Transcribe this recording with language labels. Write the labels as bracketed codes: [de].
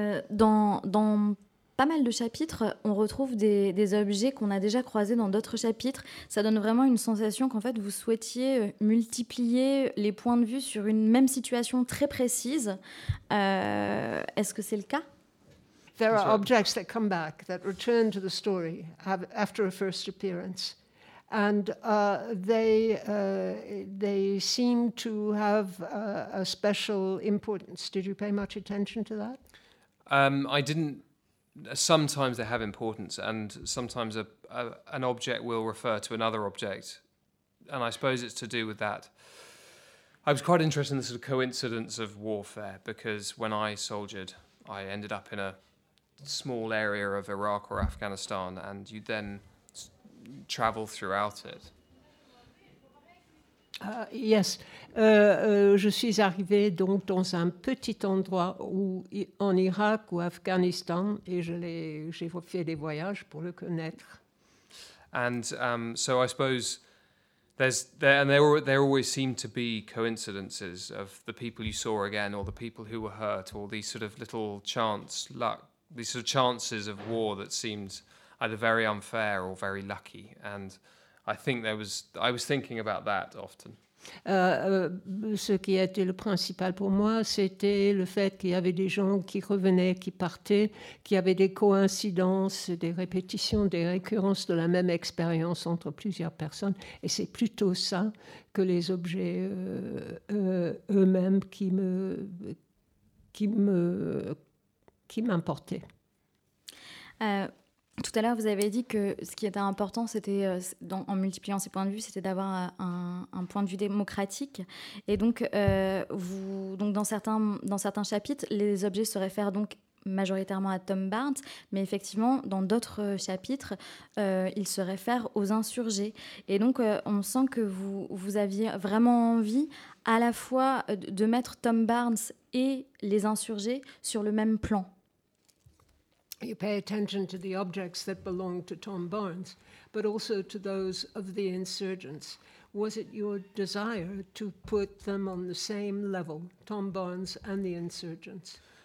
[fr] Dans pas mal de chapitres, on retrouve des objets qu'on a déjà croisés dans d'autres chapitres. Ça donne vraiment une sensation qu'en fait, vous souhaitiez multiplier les points de vue sur une même situation très précise. Est-ce que c'est le cas ? [en] There are objects that come back, that return to the story after a first appearance. And they seem to have a special importance. Did you pay much attention to that? I didn't. Sometimes they have importance, and sometimes an object will refer to another object. And I suppose it's to do with that. I was quite interested in the sort of coincidence of warfare, because when I soldiered, I ended up in a small area of Iraq or Afghanistan, and you then travel throughout it. [fr] Yes, je suis arrivée donc dans un petit endroit où, en Irak ou Afghanistan, et j'ai fait des voyages pour le connaître. [en] And so I suppose there always seem to be coincidences of the people you saw again, or the people who were hurt, or these sort of little chance luck, these sort of chances of war that seemed either very unfair or very lucky. And I think I was thinking about that often. [fr] Ce qui a été le principal pour moi, c'était le fait qu'il y avait des gens qui revenaient, qui partaient, qui avaient des coïncidences, des répétitions, des récurrences de la même expérience entre plusieurs personnes. Et c'est plutôt ça que les objets eux-mêmes qui m'importaient. Tout à l'heure, vous avez dit que ce qui était important, c'était, en multipliant ces points de vue, c'était d'avoir un point de vue démocratique. Et donc, dans certains chapitres, les objets se réfèrent donc majoritairement à Tom Barnes, mais effectivement, dans d'autres chapitres, ils se réfèrent aux insurgés. Et donc, on sent que vous aviez vraiment envie à la fois de mettre Tom Barnes et les insurgés sur le même plan. [en] You pay attention to the objects that belong to Tom Barnes, but also to those of the insurgents. Was it your desire to put them on the same level, Tom Barnes and the insurgents?